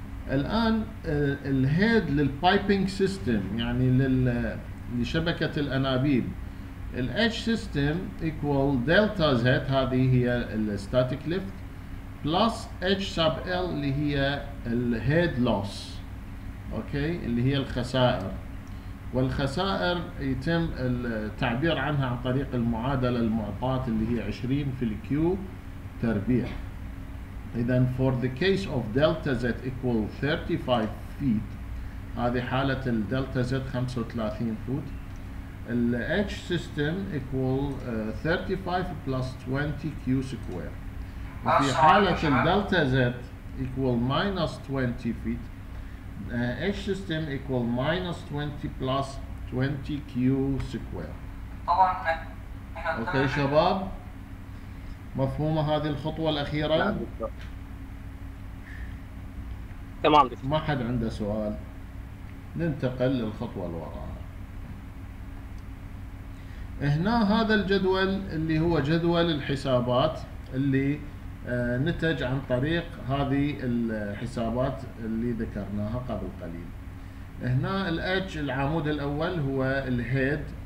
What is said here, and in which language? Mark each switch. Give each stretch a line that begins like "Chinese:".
Arabic: الان الهيد للبايبنج سيستم يعني لشبكة الانابيب، الاتش سيستم ايكوال دلتا زد، هذه هي الستاتيك ليفت، بلس اتش سب ال اللي هي الهيد لوس. اوكي. اللي هي الخسائر، والخسائر يتم التعبير عنها عن طريق المعادله المعطاه اللي هي 20 في الكيو تربيع.
English: اذا for the case of delta z equal 35 feet،
Arabic: هذه حاله الدلتا z 35 فوت،
English: ال h system equal 35 plus 20 q square.
Arabic: وفي حاله الدلتا
English: z equal minus 20 feet، H system equal minus 20 plus 20 Q square.
Arabic: طبعا. اوكي شباب. مفهومة هذه الخطوة الأخيرة؟ تمام دكتور. ما حد عنده سؤال؟ ننتقل للخطوة اللي وراها. هنا هذا الجدول اللي هو جدول الحسابات اللي نتج عن طريق هذه الحسابات اللي ذكرناها قبل قليل. هنا الاتش العمود الاول هو الهيد،